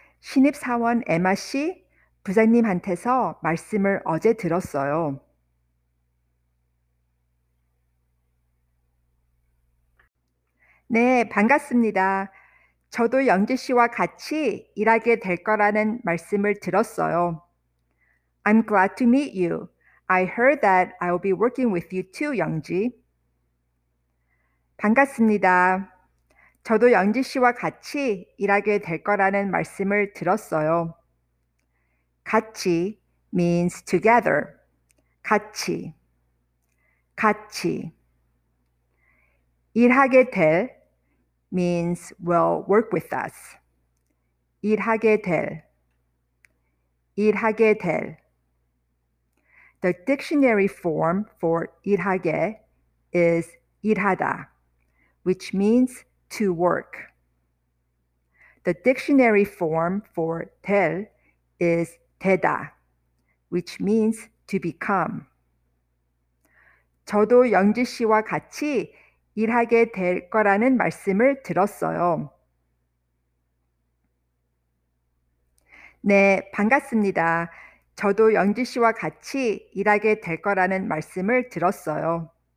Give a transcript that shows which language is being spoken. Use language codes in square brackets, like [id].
[ko] 신입사원 에마 씨, 부장님한테서 말씀을 어제 들었어요. 네, 반갑습니다. 저도 영지 씨와 같이 일하게 될 거라는 말씀을 들었어요. [en] I'm glad to meet you. I heard that I'll be working with you too, Youngji. [ko] 반갑습니다. 저도 영지 씨와 같이 일하게 될 거라는 말씀을 들었어요. 같이 [en] means together. [ko] 같이. 같이. 일하게 될 [en] means will work with us. [ko] 일하게 될. 일하게 될. [en] The dictionary form for 일하게 is 일하다, which means to work. The dictionary form for 될 is 되다, which means to become. [ko] 저도 영지 씨와 같이 일하게 될 거라는 말씀을 들었어요. 네, 반갑습니다. 저도 영지 씨와 같이 일하게 될 거라는 말씀을 들었어요.